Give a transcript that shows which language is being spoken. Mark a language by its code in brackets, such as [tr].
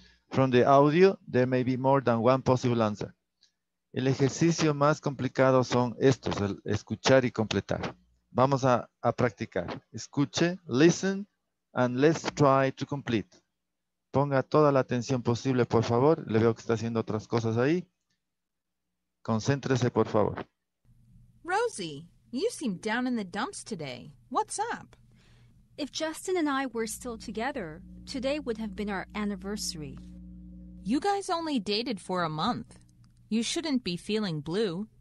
[en] From the audio, there may be more than one possible answer. [es] El ejercicio más complicado son estos, el escuchar y completar. Vamos a practicar. Escuche, listen, [en] and let's try to complete. [es] Ponga toda la atención posible, por favor. Le veo que está haciendo otras cosas ahí. Concéntrese, por favor. [en] Rosie, you seem down in the dumps today. What's up? If Justin and I were still together, today would have been our anniversary. You guys only dated for a month. You shouldn't be feeling blue.